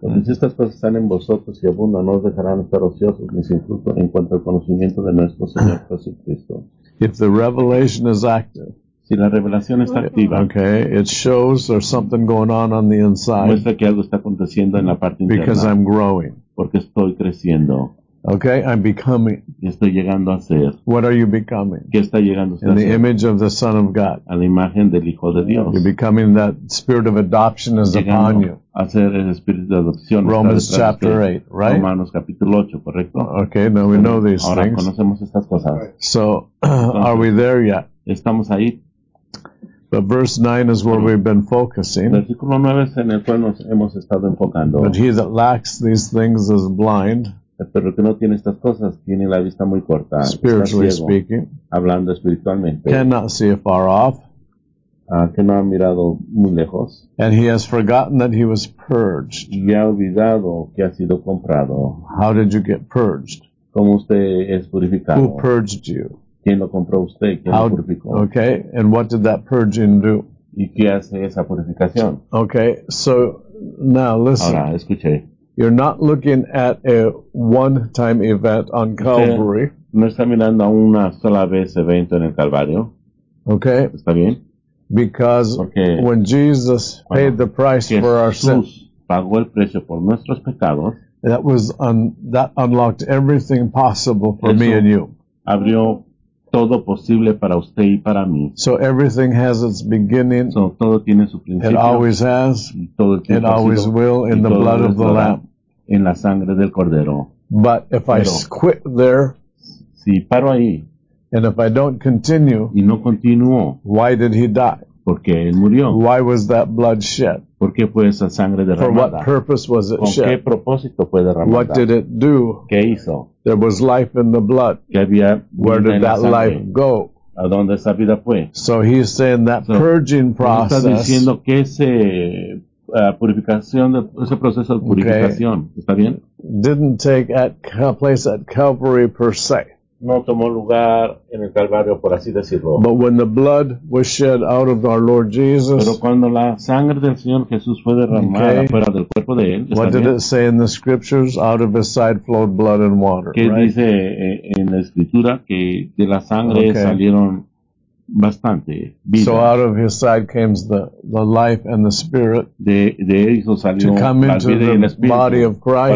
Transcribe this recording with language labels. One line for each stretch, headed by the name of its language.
Spanish: Pues estas cosas están en vosotros y abundan, no os dejarán estar ociosos ni sin fruto en cuanto al conocimiento de nuestro Señor Jesucristo.
English: If the revelation is active,
Spanish: si la revelación está activa,
English: okay, it shows there's something going on the inside.
Spanish: Muestra que algo está aconteciendo en la parte interna.
English: Because I'm growing.
Spanish: Porque estoy creciendo.
English: Okay, I'm becoming.
Spanish: Estoy llegando a ser.
English: What are you becoming?
Spanish: ¿Qué está llegando a ser?
English: In the image of the Son of God.
Spanish: A la imagen del Hijo de Dios.
English: You're becoming that spirit of adoption is
Spanish: llegando
English: upon you.
Spanish: A ser el espíritu de adopción.
English: Romans chapter 8, right?
Spanish: Romanos capítulo 8, correcto.
English: Okay, now we know these
Spanish: ahora
English: things.
Spanish: Ahora conocemos estas cosas.
English: So, are we there yet?
Spanish: Estamos ahí.
English: But verse 9 is where we've been focusing.
Spanish: Versículo 9 es en el cual nos hemos estado enfocando.
English: But he that lacks these things is blind.
Spanish: Pero que no tiene estas cosas, tiene la vista muy corta.
English: Spiritually
Spanish: ciego,
English: speaking,
Spanish: hablando espiritualmente,
English: cannot see far off,
Spanish: que no ha mirado muy lejos,
English: and he has forgotten that he was purged.
Spanish: Y ha olvidado que ha sido comprado.
English: How did you get purged?
Spanish: ¿Cómo usted es purificado?
English: Who purged you?
Spanish: ¿Quién lo compró usted? ¿Quién lo purificó?
English: Okay, and what did that purging do?
Spanish: ¿Y qué hace esa purificación?
English: Okay, so now listen.
Spanish: Ahora, escuché.
English: You're not looking at a one-time event on Calvary.
Spanish: No está mirando una sola vez evento en el Calvario.
English: Okay.
Spanish: Está bien.
English: Because
Spanish: porque
English: when Jesus paid the price for our sins,
Spanish: pagó el precio por nuestros pecados,
English: that unlocked everything possible for me and you.
Spanish: Abrió todo posible para usted y para mí.
English: So everything has its beginning.
Spanish: So todo tiene su principio.
English: It always has.
Spanish: Todo tiene
English: it always will in the blood of the Lamb.
Spanish: En la sangre del Cordero.
English: But if
Spanish: pero,
English: I quit there,
Spanish: si paro ahí,
English: and if I don't continue,
Spanish: y no continuo,
English: why did he die?
Spanish: Porque él murió.
English: Why was that blood shed?
Spanish: ¿Por qué fue esa sangre derramada?
English: For what purpose was it shed?
Spanish: ¿Con qué propósito fue derramada?
English: What did it do?
Spanish: ¿Qué hizo?
English: There was life in the blood.
Spanish: ¿Qué había?
English: Where did that life go?
Spanish: ¿A dónde esa vida fue?
English: So he's saying that purging process.
Spanish: Está diciendo que ese purificación, ese proceso de purificación,
English: okay,
Spanish: ¿está bien?
English: Didn't take place at Calvary per se.
Spanish: No tomó lugar en el Calvario, por así decirlo.
English: But when the blood was shed out of our Lord Jesus,
Spanish: pero cuando la sangre del Señor Jesús fue derramada,
English: okay,
Spanish: fuera del cuerpo de él,
English: what
Spanish: bien
English: did it say in the scriptures? Out of his side flowed blood and water.
Spanish: ¿Qué
English: right
Spanish: dice en la escritura? Que de la sangre,
English: okay,
Spanish: salieron bastante vida.
English: So out of his side came the life and the spirit.
Spanish: De eso salió
English: to come into
Spanish: la vida
English: the body of Christ.